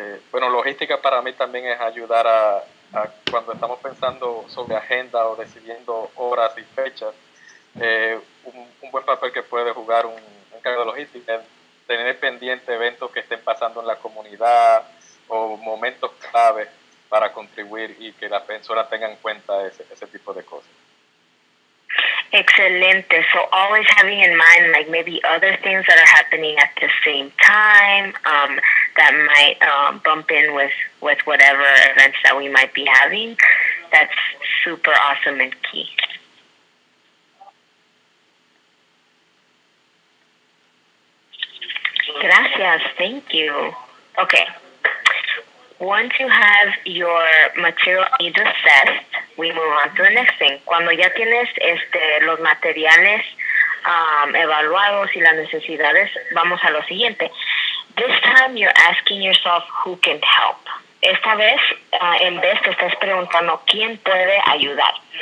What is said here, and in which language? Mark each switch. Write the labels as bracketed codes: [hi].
[es] bueno, logística para mí también es ayudar a cuando estamos pensando sobre agenda o decidiendo horas y fechas. Un buen papel que puede jugar un cargo de logística es tener pendiente eventos que estén pasando en la comunidad o momentos clave para contribuir y que las personas tengan en cuenta ese tipo de cosas. Excelente. [en] So always having in mind like maybe other things that are happening at the same time that might bump in with whatever events that we might be having. That's super awesome and key. [es] Gracias. [en] Thank you. Okay. Once you have your material needs assessed, we move on to the next thing. [es] Cuando ya tienes los materiales evaluados y las necesidades, vamos a lo siguiente. [en] This time you're asking yourself who can help. [es] Esta vez, en vez te estás preguntando quién puede ayudar.